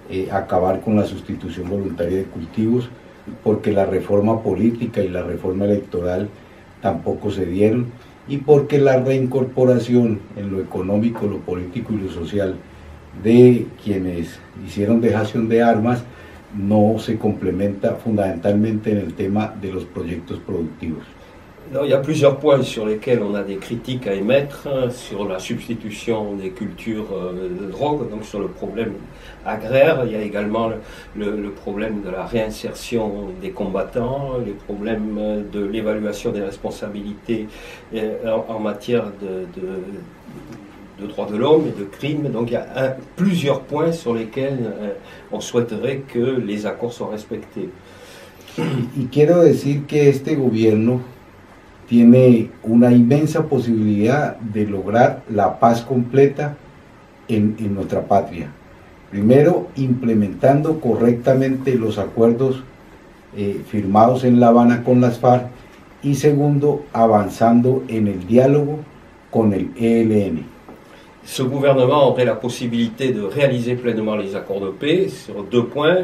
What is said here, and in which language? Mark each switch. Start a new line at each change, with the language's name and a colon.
Spanish: acabar con la sustitución voluntaria de cultivos, porque la reforma política y la reforma electoral tampoco se dieron, y porque la reincorporación en lo económico, lo político y lo social de quienes hicieron dejación de armas no se complementa fundamentalmente en el tema de los proyectos productivos.
French: Alors, il y a plusieurs points sur lesquels on a des critiques à émettre, hein, sur la substitution des cultures de drogue, donc sur le problème agraire. Il y a également le problème de la réinsertion des combattants, les problèmes de l'évaluation des responsabilités en matière de droits de l'homme et de crimes. Donc il y a plusieurs points sur lesquels on souhaiterait que les accords soient respectés.
Spanish: Y quiero decir que este gobierno tiene una inmensa posibilidad de lograr la paz completa en nuestra patria. Primero, implementando correctamente los acuerdos firmados en La Habana con las FARC y segundo, avanzando en el diálogo con el ELN.
French: Ce gouvernement aurait la possibilité de réaliser pleinement les accords de paix sur 2 points.